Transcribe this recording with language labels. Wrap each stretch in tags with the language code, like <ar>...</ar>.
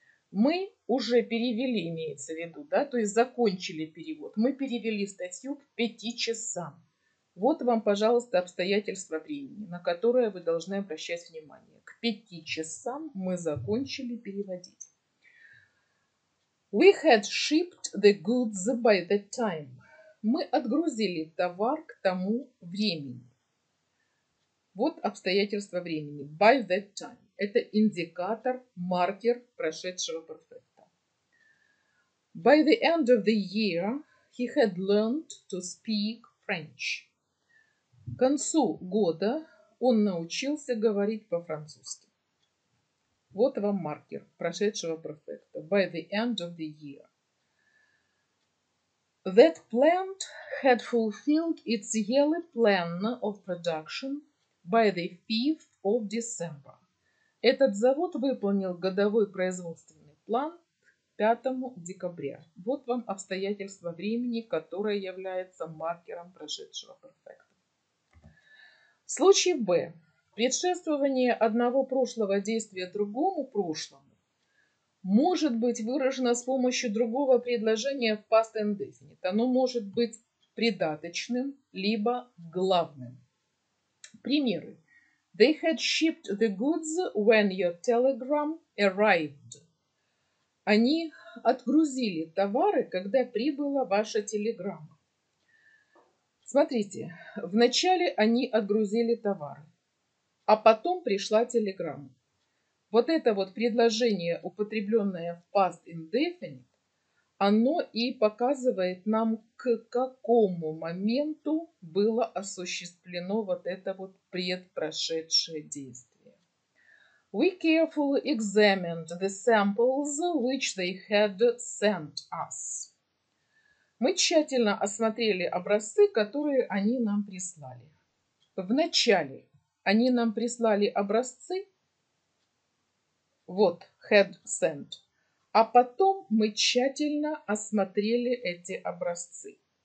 <ru>Мы уже перевели, имеется в виду, да, то есть закончили перевод. Мы перевели статью к 5 часам. Вот вам, пожалуйста, обстоятельства времени, на которые вы должны обращать внимание. К 5 часам мы закончили переводить.</ru> <en>We had shipped the goods by that time.</en> <ru>Мы отгрузили товар к тому времени. Вот обстоятельства времени.</ru> <en>By that time.</en> <ru>Это индикатор, маркер прошедшего перфекта.</ru> <en>By the end of the year, he had learned to speak French.</en> <ru>К концу года он научился говорить по-французски. Вот вам маркер прошедшего перфекта.</ru> <en>By the end of the year. That plant had fulfilled its yearly plan of production by the 5th of December.</en> <ru>Этот завод выполнил годовой производственный план 5 декабря. Вот вам обстоятельства времени, которое является маркером прошедшего перфекта. Случай Б. Предшествование одного прошлого действия другому прошлому может быть выражено с помощью другого предложения в past indefinite. Оно может быть придаточным, либо главным. Примеры.</ru> <en>They had shipped the goods when your telegram arrived.</en> <ru>Они отгрузили товары, когда прибыла ваша телеграмма. Смотрите, вначале они отгрузили товары, а потом пришла телеграмма. Вот это вот предложение, употребленное в past indefinite, оно и показывает нам, к какому моменту было осуществлено вот это вот предпрошедшее действие.</ru> <en>We carefully examined the samples which they had sent us.</en> <ru>Мы тщательно осмотрели образцы, которые они нам прислали. Вначале они нам прислали образцы, вот,</ru> <en>had sent,</en> <ru>а потом мы тщательно осмотрели эти образцы.</ru>